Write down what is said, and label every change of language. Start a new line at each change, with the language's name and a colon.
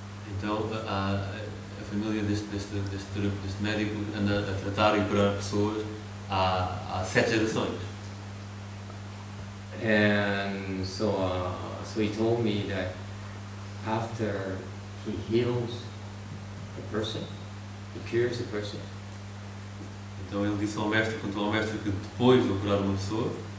Portuguese: Então a família deste médico anda a tratar e curar pessoas há 7 gerações.
English: And so he told me that after he heals a person, he cures a person.
Portuguese: Então ele disse ao mestre, contou ao mestre que depois de curar uma pessoa.